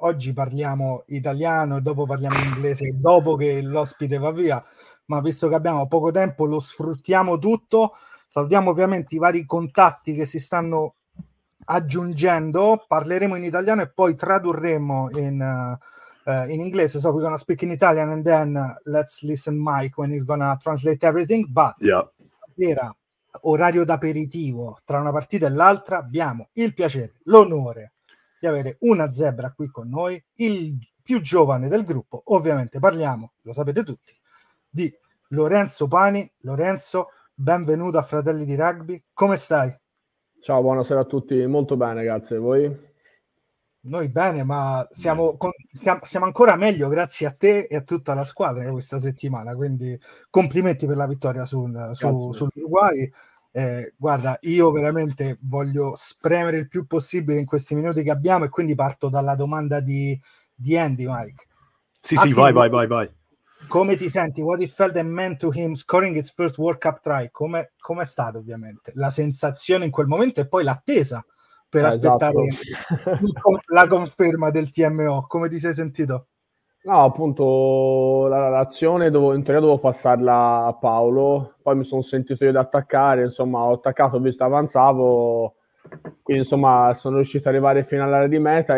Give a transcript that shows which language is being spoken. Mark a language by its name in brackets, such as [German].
[Italian] Oggi parliamo italiano e dopo parliamo inglese, dopo che l'ospite va via. Ma visto che abbiamo poco tempo, lo sfruttiamo tutto. Salutiamo ovviamente i vari contatti che si stanno aggiungendo. Parleremo in italiano e poi tradurremo in inglese. [English] So we're going to speak in Italian and then let's listen Mike when he's going to translate everything. But Yeah. [Italian] Era orario d'aperitivo tra una partita e l'altra, abbiamo il piacere, l'onore di avere una zebra qui con noi, il più giovane del gruppo. Ovviamente parliamo, lo sapete tutti, di Lorenzo PANI. Lorenzo, benvenuto a Fratelli di Rugby. Come stai? Ciao, buonasera a tutti. Molto bene, grazie. E voi? Noi bene, ma siamo ancora meglio grazie a te e a tutta la squadra questa settimana, quindi complimenti per la vittoria sull'Uruguay. Guarda, io veramente voglio spremere il più possibile in questi minuti che abbiamo e quindi parto dalla domanda di Andy, Mike. Sì, sì, vai. Come ti senti? [English] What it felt and meant to him scoring his first World Cup try? [Italian] Come è stato ovviamente? La sensazione in quel momento e poi l'attesa per aspettare esatto. La conferma del TMO. Come ti sei sentito? No, appunto, l'azione in teoria dovevo passarla a Paolo, poi mi sono sentito io di attaccare, insomma, ho attaccato, ho visto, avanzavo, quindi insomma, sono riuscito ad arrivare fino all'area di meta.